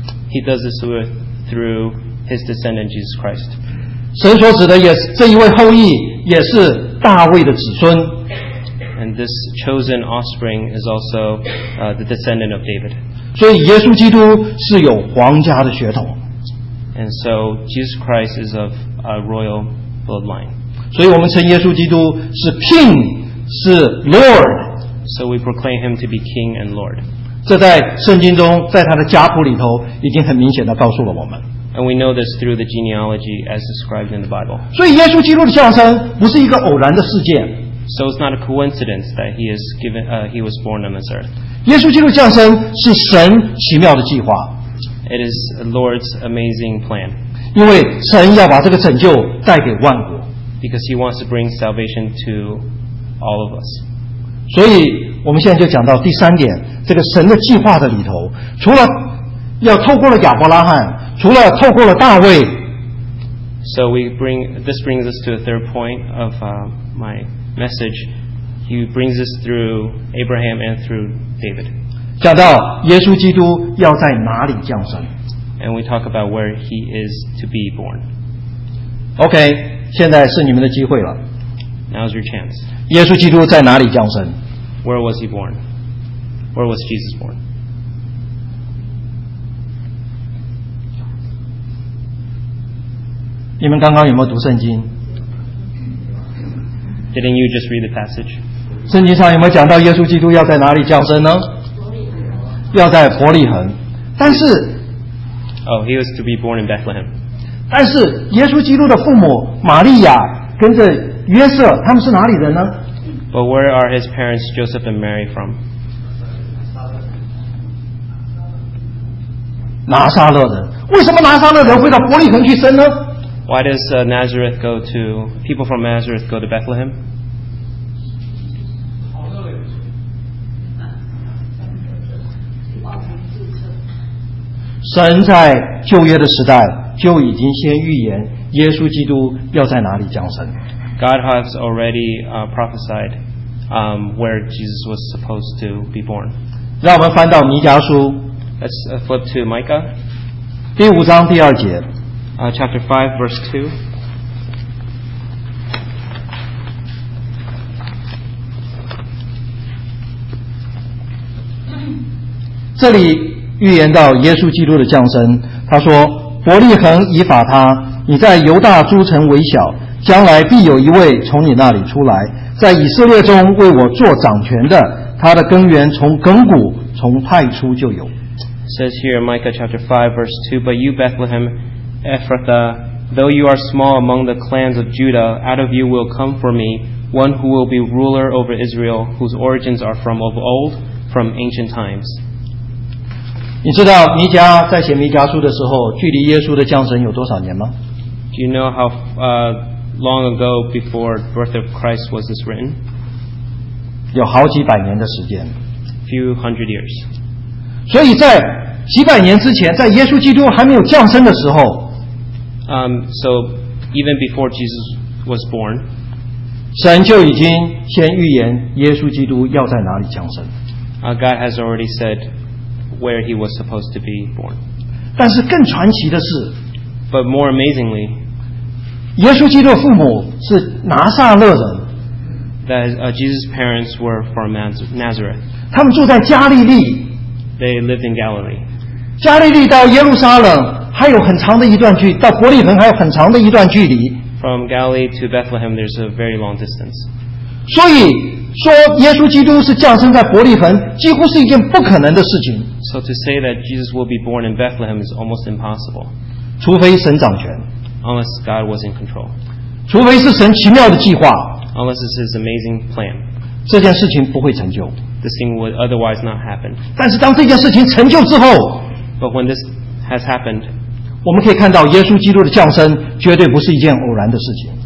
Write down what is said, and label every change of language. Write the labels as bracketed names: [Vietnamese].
[English] He does this through his descendant Jesus Christ. [Chinese] 神所指的也是这一位后裔，也是大卫的子孙。 [English] And this chosen offspring is also the descendant of David. [Chinese] 所以耶稣基督是有皇家的血统。 [English] And so Jesus Christ is of a royal bloodline. [Chinese] 所以我们称耶稣基督是 King, 是 Lord. [English] So we proclaim him to be King and Lord. [Chinese] 这在圣经中，在他的家谱里头已经很明显地告诉了我们。 [English] And we know this through the genealogy as described in the Bible. [Chinese] 所以耶稣基督的降生不是一个偶然的事件。 [English] So it's not a coincidence that he was born on this earth. [Chinese] 耶稣基督降生是神奇妙的计划。 [English] It is the Lord's amazing plan. [Chinese] 因为神要把这个拯救带给万国。 [English] Because he wants to bring salvation to all of us. [Chinese] 所以我们现在就讲到第三点，这个神的计划的里头，除了要透过了亚伯拉罕，除了透过了大卫。 [English] So we bring this brings us to the third point of my message. He brings us through Abraham and through David. [Chinese] 讲到耶稣基督要在哪里降生。 [English] And we talk about where he is to be born. [Chinese] Okay, 现在是你们的机会了。 [English] Now's your chance. [Chinese] 耶稣基督在哪里降生？ [English] Where was he born? Where was Jesus born? [Chinese] 你们刚刚有没有读圣经？ [English] Didn't you just read the passage? [Chinese] 圣经上有没有讲到耶稣基督要在哪里降生呢？要在伯利恒。但是 [English] Oh, he was to be born in Bethlehem. [Chinese] 但是耶稣基督的父母玛利亚跟着约瑟他们是哪里人呢？ [English] But where are his parents Joseph and Mary from? [Chinese] 拿撒勒人。为什么拿撒勒人会到伯利恒去生呢？ [English] Why does Nazareth go to people from Nazareth go to Bethlehem? [Chinese] 神在旧约的时代就已经先预言耶稣基督要在哪里降生。 [English] God has already prophesied where Jesus was supposed to be born. [Chinese] 让我们翻到弥迦书。 [English] Let's flip to Micah. [Chinese] 第五章第二节。 [English] Chapter 5, verse 2. [Chinese] 这里预言到耶稣基督的降生。他说，伯利恒以法他，你在犹大诸城为小，将来必有一位从你那里出来，在以色列中为我做掌权的，他的根源从亘古从太初就有。 [English] Says here Micah chapter 5 verse 2, But you Bethlehem Ephrathah, though you are small among the clans of Judah, out of you will come for me one who will be ruler over Israel, whose origins are from of old, from ancient times. [Chinese] 你知道弥迦在写弥迦书的时候距离耶稣的降生有多少年吗？ [English] Do you know how long ago before the birth of Christ was this written? [Chinese] 有好几百年的时间。 [English] Few hundred years. [Chinese] 所以在几百年之前，在耶稣基督还没有降生的时候， [English] So even before Jesus was born, [Chinese] 神就已经先预言耶稣基督要在哪里降生。 [English] God has already said where he was supposed to be born. [Chinese] 但是更传奇的是， [English] But more amazingly, [Chinese] 耶稣基督的父母是拿撒勒人。 [English] That Jesus' parents were from Nazareth. [Chinese] 他们住在加利利。 [English] They lived in Galilee. [Chinese] 加利利到耶路撒冷还有很长的一段距离，到伯利恒还有很长的一段距离。 [English] From Galilee to Bethlehem, there's a very long distance. [Chinese] 所以说耶稣基督是降生在伯利恒，几乎是一件不可能的事情。 [English] So to say that Jesus will be born in Bethlehem is almost impossible. [Chinese] 除非神掌权。 [English] Unless God was in control. [Chinese] 除非是神奇妙的计划。 [English] Unless it's his amazing plan. [Chinese] 这件事情不会成就。 [English] This thing would otherwise not happen. [Chinese] 但是当这件事情成就之后， [English] But when this has happened, [Chinese] 我们可以看到耶稣基督的降生绝对不是一件偶然的事情。